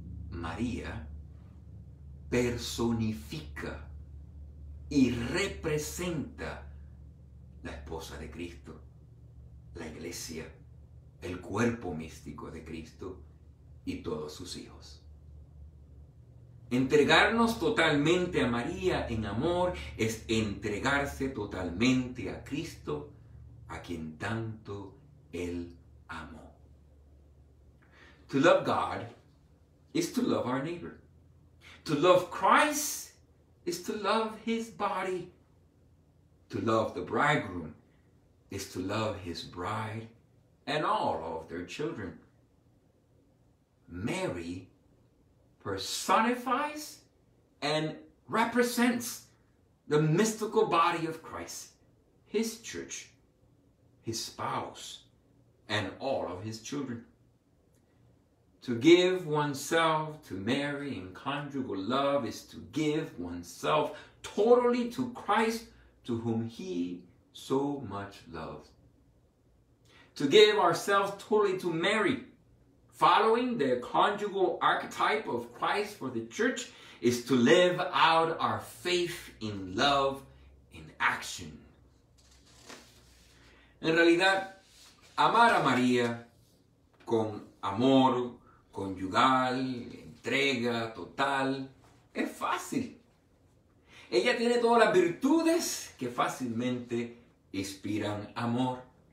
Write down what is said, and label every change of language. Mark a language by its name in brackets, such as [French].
[Spanish] María personifica y representa la esposa de Cristo, la iglesia, el cuerpo místico de Cristo y todos sus hijos. Entregarnos totalmente a María en amor es entregarse totalmente a Cristo, a quien tanto Él amó. [English] To love God is to love our neighbor. To love Christ is to love his body. To love the bridegroom is to love his bride and all of their children. Mary personifies and represents the mystical body of Christ, his church, his spouse, and all of his children. To give oneself to Mary in conjugal love is to give oneself totally to Christ, to whom he so much loved. To give ourselves totally to Mary, following the conjugal archetype of Christ for the church, is to live out our faith in love in action. [Spanish] En realidad, amar a María con amor conyugal, entrega total, es fácil. Ella tiene todas las virtudes que fácilmente inspiran amor.